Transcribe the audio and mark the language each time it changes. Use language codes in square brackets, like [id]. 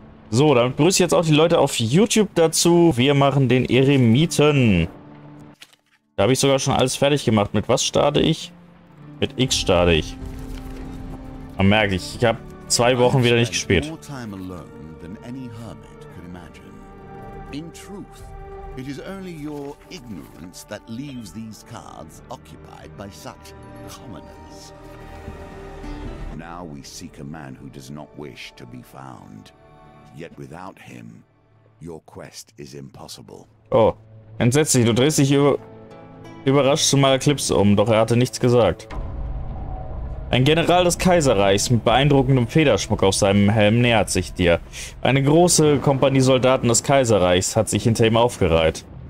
[de] So, dann grüße ich jetzt auch die Leute auf YouTube dazu. Wir machen den Eremiten. Da habe ich sogar schon alles fertig gemacht. Mit was starte ich? Mit X starte ich. Man merkt, ich habe 2 Wochen wieder nicht gespielt. [en] More time alone than any hermit could imagine. In truth, it is only your ignorance that leaves these cards occupied by such commoners. Now we seek a man who does not wish to be found. Yet without him, your quest is impossible. [de] Oh, entsetzlich, du drehst dich überrascht zu meiner Eclipse um, doch er hatte nichts gesagt. Ein General des Kaiserreichs mit beeindruckendem Federschmuck auf seinem Helm nähert sich dir. Eine große Kompanie Soldaten des Kaiserreichs hat sich hinter ihm aufgereiht.